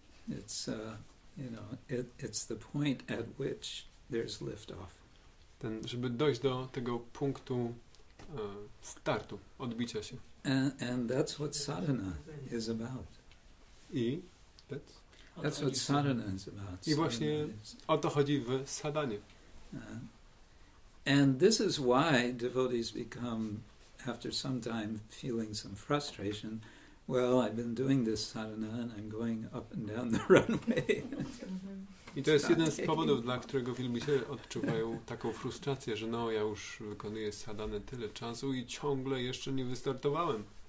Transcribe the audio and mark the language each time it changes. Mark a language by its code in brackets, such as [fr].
[en] It's you know, it's the point at which there's lift off. [pl] Ten, żeby dojść do tego punktu startu, odbicia się. [en] And that's what sadhana is about. I that's what sadhana is about. [pl] I właśnie o to chodzi w sadhanie. [en] And this is why devotees become, after some time, feeling some frustration. Well, I've been doing this sadhana and I'm going up and down the runway. [pl] I to jest jeden z powodów, dla którego wielbi się odczuwają taką frustrację, że no, ja już wykonuję sadhanę tyle czasu i ciągle jeszcze nie wystartowałem.